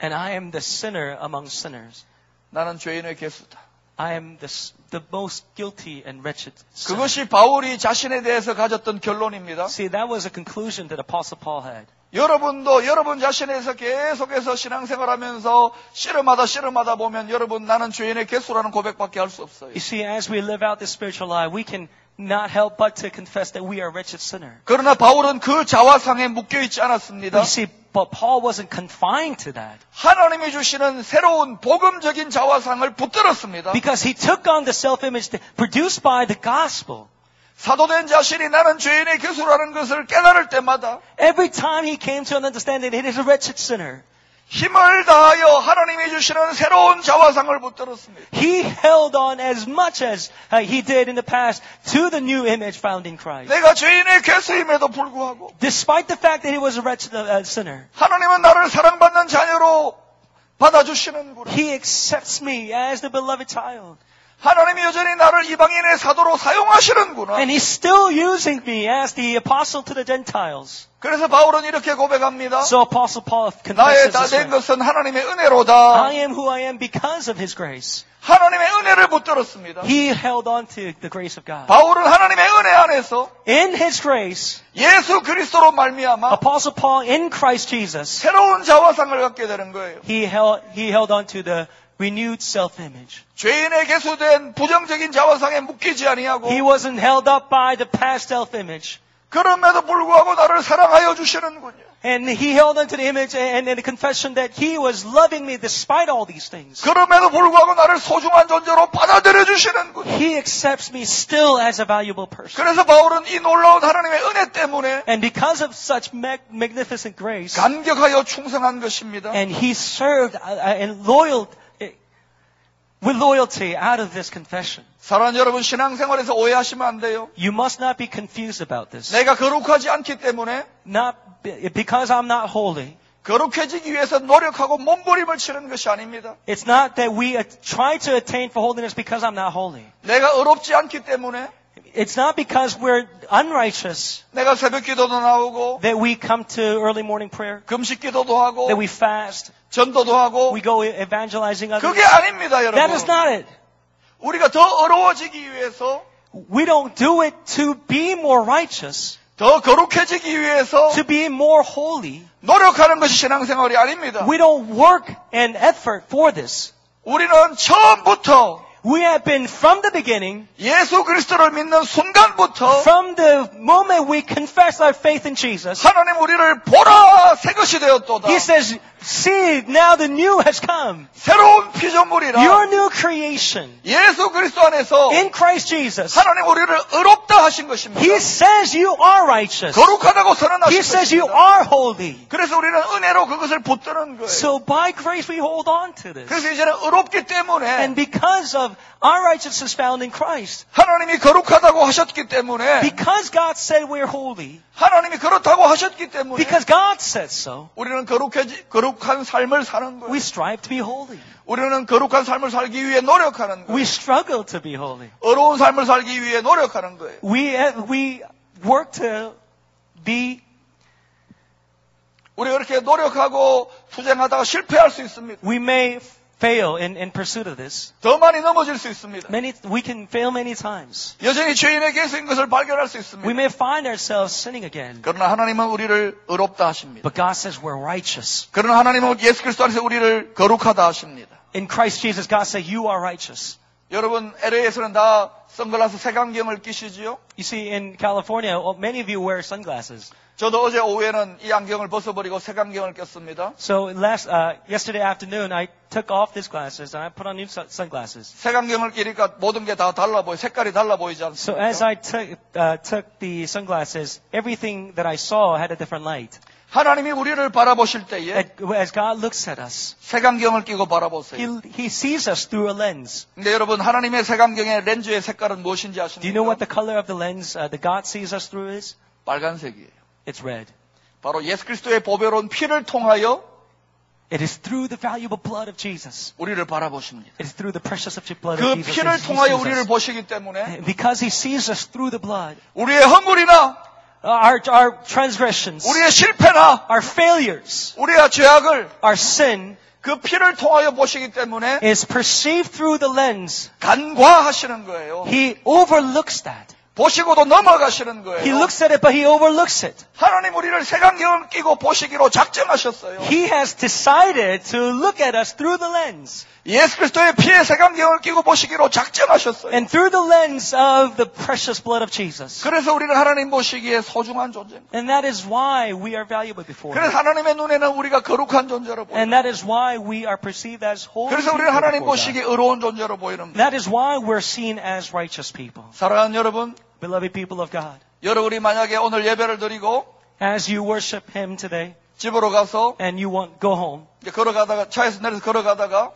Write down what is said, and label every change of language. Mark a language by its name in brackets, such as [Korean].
[English] And I am the sinner among sinners. [Korean] 나는 죄인의 개수다. [English] I am the most guilty and wretched sinner. [Korean] 그것이 바울이 자신에 대해서 가졌던 결론입니다. [English] See, that was a conclusion that Apostle Paul had. [Korean] 여러분도 여러분 자신에서 계속해서 신앙생활하면서 씨름하다 보면 여러분 나는 죄인의 개수라는 고백밖에 할 수 없어요. [English] You see, as we live out this spiritual life, we can not help but to confess that we are wretched sinner. [Korean] 그러나 바울은 그 자화상에 묶여 있지 않았습니다. [English] You see, but Paul wasn't confined to that. [Korean] 하나님이 주시는 새로운 복음적인 자화상을 붙들었습니다. [English] Because he took on the self-image produced by the gospel. [Korean] 사도된 자신이 나는 죄인의 괴수라는 것을 깨달을 때마다 [English] Every time he came to an understanding that he is a wretched sinner. [Korean] 힘을 다하여 하나님이 주시는 새로운 자화상을 붙들었습니다. [English] He held on as much as he did in the past to the new image found in Christ. [Korean] 내가 죄인의 괴수임에도 불구하고 [English] Despite the fact that he was a wretched sinner. [Korean] 하나님은 나를 사랑받는 자녀로 받아주시는구나. [English] He accepts me as the beloved child. [Korean] 하나님이 여전히 나를 이방인의 사도로 사용하시는구나. [English] And he's still using me as the apostle to the Gentiles. [Korean] 그래서 바울은 이렇게 고백합니다. [English] So Apostle Paul confesses [Korean] 나의 다 된 것은 하나님의 은혜로다. [English] I am who I am because of his grace. [Korean] 하나님의 은혜를 붙들었습니다. [English] He held on to the grace of God. [Korean] 바울은 하나님의 은혜 안에서 [English] In his grace [Korean] 예수 그리스도로 말미암아 [English] Apostle Paul in Christ Jesus [Korean] 새로운 자화상을 갖게 되는 거예요. [English] He held on to the renewed self-image. [Korean] 죄인의 개수된 부정적인 자화상에 묶이지 아니하고 [English] He wasn't held up by the past self-image. [Korean] 그럼에도 불구하고 나를 사랑하여 주시는군요. [English] And he held on to the image and in the confession that he was loving me despite all these things. [Korean] 그럼에도 불구하고 나를 소중한 존재로 받아들여 주시는군요. [English] He accepts me still as a valuable person. [Korean] 그래서 바울은 이 놀라운 하나님의 은혜 때문에 [English] And because of such magnificent grace [Korean] 감격하여 충성한 것입니다. [English] And he served and loyal with loyalty out of this confession. [Korean] 사랑하는 여러분, 신앙생활에서 오해하시면 안 돼요. [English] You must not be confused about this. [Korean] 내가 거룩하지 않기 때문에 [English] not because I'm not holy. [Korean] 거룩해지기 위해서 노력하고 몸부림을 치는 것이 아닙니다. [English] It's not that we try to attain for holiness because I'm not holy. [Korean] 내가 의롭지 않기 때문에 [English] It's not because we're unrighteous [Korean] 내가 새벽 기도도 나오고 [English] that we come to early morning prayer [Korean] 금식 기도도 하고 [English] that we fast [Korean] 전도도 하고 [English] we go evangelizing others [Korean] 그게 아닙니다, 여러분. [English] That is not it. [Korean] 우리가 더 의로워지기 위해서 [English] we don't do it to be more righteous [Korean] 더 거룩해지기 위해서 [English] to be more holy [Korean] 노력하는 것이 신앙생활이 아닙니다. [English] We don't work and effort for this. [Korean] 우리는 처음부터 [English] We have been from the beginning, [Korean] 예수 그리스도를 믿는 순간부터, [English] from the moment we confess our faith in Jesus, [Korean] 하나님 우리를 보라 새 것이 되었도다. [English] He says, "See, now the new has come." [Korean] 새로운 피조물이라. [English] Your new creation, [Korean] 예수 그리스도 안에서, [English] in Christ Jesus, [Korean] 하나님 우리를 의롭다 하신 것입니다. [English] He says, "You are righteous." [Korean] 거룩하다고 선언하신 것입니다. [English] He says, "You are holy." [Korean] 그래서 우리는 은혜로 그것을 붙드는 거예요. [English] So by grace we hold on to this. [Korean] 그래서 이제는 의롭기 때문에, [English] and because of our righteousness found in Christ. [Korean] 하나님이 거룩하다고 하셨기 때문에 [English] Because God said we're holy. [Korean] 하나님이 그렇다고 하셨기 때문에 [English] Because God said so. [Korean] 우리는 거룩한 삶을 사는 거예요. [English] We strive to be holy. [Korean] 우리는 거룩한 삶을 살기 위해 노력하는 거예요. [English] We struggle to be holy. [Korean] 의로운 삶을 살기 위해 노력하는 거예요. [English] We work to be [Korean] 우리 그렇게 노력하고 투쟁하다가 실패할 수 있습니다. [English] We may fail in pursuit of this. [Korean] 더 많이 넘어질 수 있습니다. [English] We can fail many times. [Korean] 여전히 죄인의 계승인 것을 발견할 수 있습니다. [English] We may find ourselves sinning again. [Korean] 그러나 하나님은 우리를 의롭다 하십니다. [English] But God says we're righteous. [Korean] 그러나 하나님은 예수 그리스도 안에서 우리를 거룩하다 하십니다. [English] In Christ Jesus, God says you are righteous. [Korean] 여러분, LA에서는 다 선글라스 색안경을 끼시지요? [English] You see, in California, many of you wear sunglasses. [Korean] 저도 어제 오후에는 이 안경을 벗어버리고 색안경을 꼈습니다. [English] So yesterday afternoon, I took off these glasses and I put on new sunglasses. [Korean] 색안경을 끼니까 모든 게 다 달라 보여, 색깔이 달라 보이지 않습니까? [English] So as I took the sunglasses, everything that I saw had a different light. [Korean] 하나님이 우리를 바라보실 때에 [English] As God looks at us, [Korean] 색안경을 끼고 바라보세요. [English] He sees us through a lens. [Korean] 근데 여러분 하나님의 색안경의 렌즈의 색깔은 무엇인지 아십니까? [English] Do you know what the color of the lens that God sees us through is? [Korean] 빨간색이에요. [English] It's red. [Korean] 바로 예수 그리스도의 보배로운 피를 통하여 [English] It is through the valuable blood of Jesus. [Korean] 우리를 바라보십니다. [English] It is through the precious of the blood 그 of Jesus. [Korean] 그 피를 통하여 우리를 보시기 때문에 [English] Because he sees us through the blood. [Korean] 우리의 허물이나 [English] Our transgressions, [Korean] 우리의 실패나, [English] our failures, [Korean] 우리의 죄악을, [English] our sin, [Korean] 그 피를 통하여 보시기 때문에, [English] is perceived through the lens. [Korean] 간과하시는 거예요. [English] He overlooks that. [Korean] 보시고도 넘어가시는 거예요. [English] He looks at it, but he overlooks it. [Korean] 하나님 우리를 색안경을 끼고 보시기로 작정하셨어요. [English] He has decided to look at us through the lens. [Korean] 예수 그리스도의 피에 색안경을 끼고 보시기로 작정하셨어요. [English] And through the lens of the precious blood of Jesus. [Korean] 그래서 우리는 하나님 보시기에 소중한 존재입니다. [English] And that is why we are valuable before Him. [Korean] 그래서 하나님의 눈에는 우리가 거룩한 존재로 보입니다. [English] And that is why we are perceived as holy. [Korean] 그래서 우리는 하나님 보시기에 의로운 존재로 보이는 겁니다. [English] That is why we're seen as righteous people. [Korean] 사랑하는 여러분, [English] beloved people of God. [Korean] 여러분이 만약에 오늘 예배를 드리고 [English] as you worship Him today [Korean] 집으로 가서 [English] and you want go home [Korean] 걸어가다가 차에서 내려서 걸어가다가